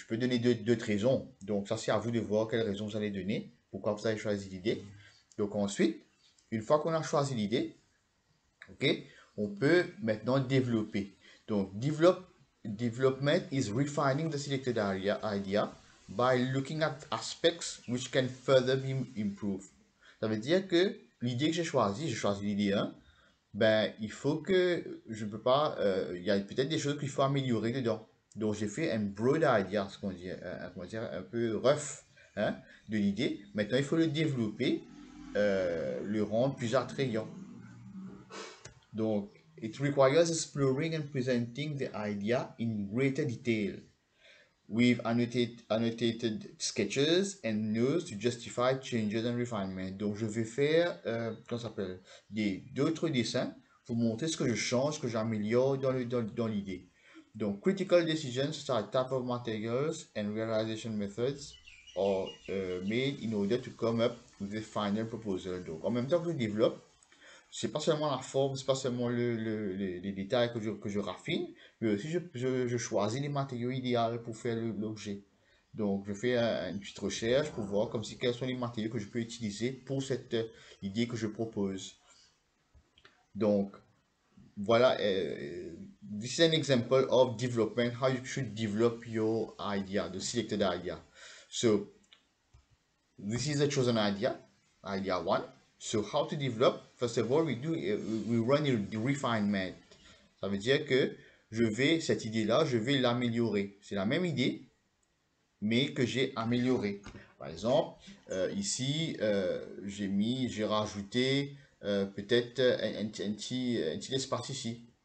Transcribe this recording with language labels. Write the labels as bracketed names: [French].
[French] Je peux donner d'autres raisons. Donc, ça, c'est à vous de voir quelles raisons vous allez donner, pourquoi vous avez choisi l'idée. Donc, ensuite, une fois qu'on a choisi l'idée, OK, on peut maintenant développer. Donc, [English] development is refining the selected idea by looking at aspects which can further be improved. [French] Ça veut dire que l'idée que j'ai choisi l'idée 1, ben, il faut que je ne peux pas, il y a peut-être des choses qu'il faut améliorer dedans. Donc, j'ai fait un [English] broad idea, [French] ce qu'on dit, un peu rough, hein, de l'idée. Maintenant, il faut le développer, le rendre plus attrayant. Donc, [English] it requires exploring and presenting the idea in greater detail with annotated sketches and notes to justify changes and refinement. [French] Donc, je vais faire, comment ça s'appelle, d'autres dessins pour montrer ce que je change, ce que j'améliore dans l'idée. Donc, [English] critical decisions such as type of materials and realization methods are made in order to come up with the final proposal. [French] Donc, en même temps que je développe, c'est pas seulement la forme, c'est pas seulement les détails que je raffine, mais aussi je choisis les matériaux idéaux pour faire l'objet. Donc, je fais une petite recherche pour voir comme si quels sont les matériaux que je peux utiliser pour cette idée que je propose. Donc, voilà. [English] This is an example of development, how you should develop your idea, the selected idea. So, this is a chosen idea, idea one. So, how to develop? First of all, we run a refinement. [French] Ça veut dire que cette idée-là, je vais l'améliorer. C'est la même idée, mais que j'ai améliorée. Par exemple, ici, j'ai rajouté peut-être un petit espace ici.